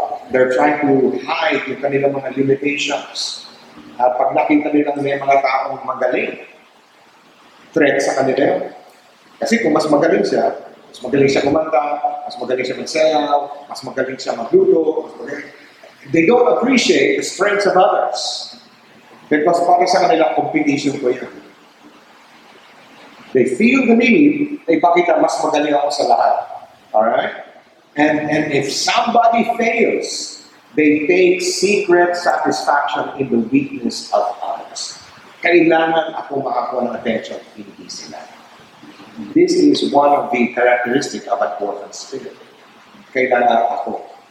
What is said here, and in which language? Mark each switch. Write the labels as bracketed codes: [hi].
[en] They're trying to hide [tl] yung kanilang mga [en] limitations. [tl] At pag nakita nila may mga taong magaling, threat sa kanila. Kasi kung mas magaling siya kumanta, mas magaling siya magsayaw, mas magaling siya magluto, [en] they don't appreciate the strengths of others. [tl] Because para sa kanila, competition ko yan. [en] They feel the need, [tl] ay pakita mas magaling ako sa lahat. [en] Alright? And if somebody fails, they take secret satisfaction in the weakness of others. [tl] Kailangan ako makakuha ng attention, hindi sila. [en] This is one of the characteristics of an orphan spirit. [tl] Kailangan ako.